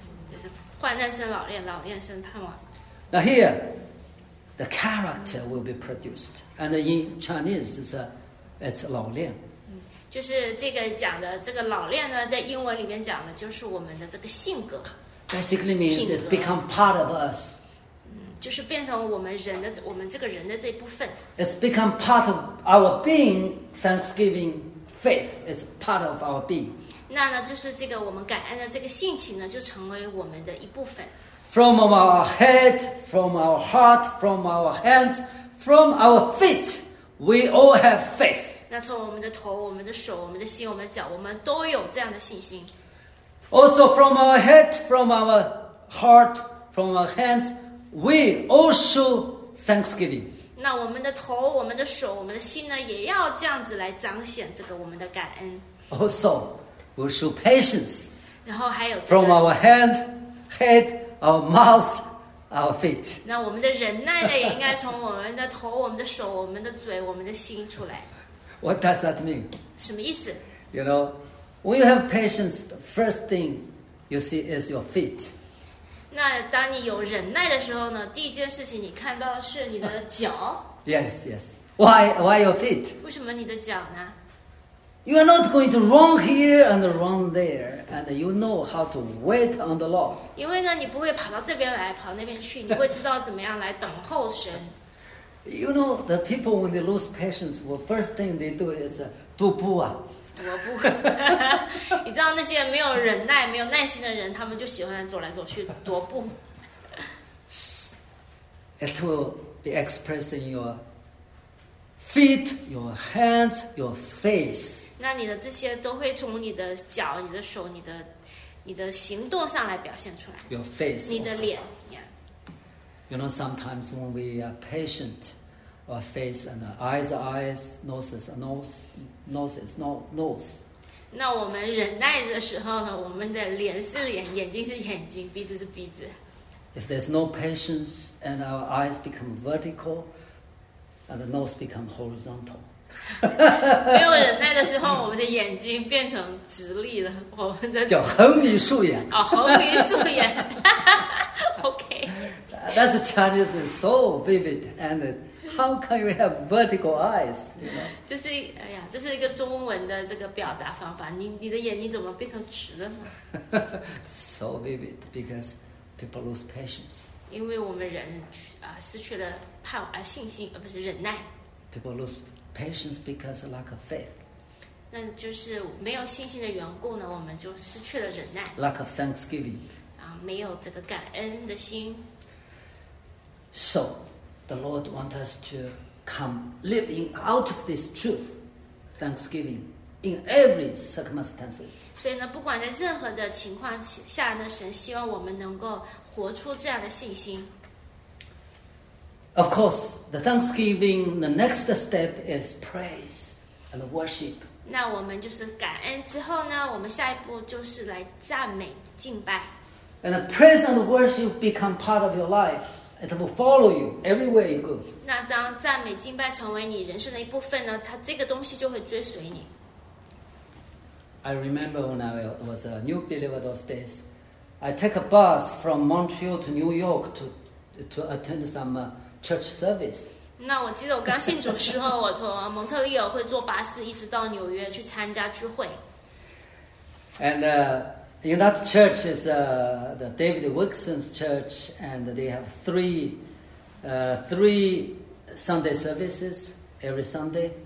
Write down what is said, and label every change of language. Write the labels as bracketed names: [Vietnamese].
[Chinese] 就是患难生老练，老练生盼望。 [English] Now here, the character will be produced, and in Chinese, it's 老练。嗯， [Chinese] 就是这个讲的这个老练呢，在英文里面讲的就是我们的这个性格。 [English] Basically means it become part of us. [Chinese] 就是变成我们人的，我们这个人的这一部分。 [English] It's become part of our being. Thanksgiving faith is part of our being. [Chinese] 那呢，就是这个我们感恩的这个性情呢，就成为我们的一部分。 [English] From our head, from our heart, from our hands, from our feet, we all have faith. [Chinese] 那从我们的头、我们的手、我们的心、我们的脚，我们都有这样的信心。 [English] Also from our head, from our heart, from our hands. We also thanksgiving. [Chinese] 那我们的头、我们的手、我们的心呢，也要这样子来彰显这个我们的感恩。 [English] Also, we show patience. [Chinese] 然后还有、这个、 [English] from our hands, head, our mouth, our feet. [Chinese] 那我们的忍耐呢，也应该从我们的头、我们的手、我们的嘴、我们的心出来。 [English] What does that mean? [Chinese] 什么意思 [English] ？You know, when you have patience, the first thing you see is your feet. [Chinese] 那当你有忍耐的时候呢，第一件事情你看到的是你的脚。 [English] Yes, yes. Why your feet? [Chinese] 为什么你的脚呢？ [English] You are not going to run here and run there, and you know how to wait on the Lord. [Chinese] 因为呢，你不会跑到这边来，跑那边去，你会知道怎么样来等候神。 [English] You know, the people when they lose patience, the first thing they do is 踱步啊。 [Chinese] 踱步。你知道那些没有忍耐、没有耐心的人，他们就喜欢走来走去，踱步。 [English] It will be expressed in your feet, your hands, your face. [Chinese] 那你的这些都会从你的脚、你的手、你的行动上来表现出来。 [English] Your face. [Chinese] 你的脸。 [English] You know, sometimes when we are patient, our face and eyes are eyes, nose is nose, nose is nose. [Chinese] 那我们忍耐的时候呢，我们的脸是脸，眼睛是眼睛，鼻子是鼻子。 [English] If there's no patience and our eyes become vertical and the nose become horizontal. [Chinese] 没有忍耐的时候，我们的眼睛变成直立了，我们的叫横鼻竖眼。哦，横鼻竖眼。 [English] That's Chinese is so vivid, and how can you have vertical eyes? You know? [Chinese] 这是哎呀，这是一个中文的这个表达方法。你的眼睛怎么变成直的呢 [English] ？So vivid because people lose patience. [Chinese] 因为我们人失去了盼啊信心，而不是忍耐。 [English] People lose patience because of lack of faith. [Chinese] 那就是没有信心的缘故呢，我们就失去了忍耐。 [English] Lack of thanksgiving. [Chinese] 啊，没有这个感恩的心。 [English] So, the Lord wants us to come living out of this truth, thanksgiving, in every circumstances. [Chinese] 所以呢，不管在任何的情况下呢，神希望我们能够活出这样的信心。 [English] Of course, the thanksgiving, the next step is praise and worship. [Chinese] 那我们就是感恩之后呢，我们下一步就是来赞美敬拜。 [English] And praise and worship become part of your life. It will follow you everywhere you go. [Chinese] 那当赞美敬拜成为你人生的一部分呢？它这个东西就会追随你。 [English] I remember when I was a new believer those days, I take a bus from Montreal to New York to attend some church service. [Chinese] 那我记得我刚信主时候，我从蒙特利尔会坐巴士一直到纽约去参加聚会。 [English] And In that church is the David Wilkson's church, and they have three Sunday services every Sunday.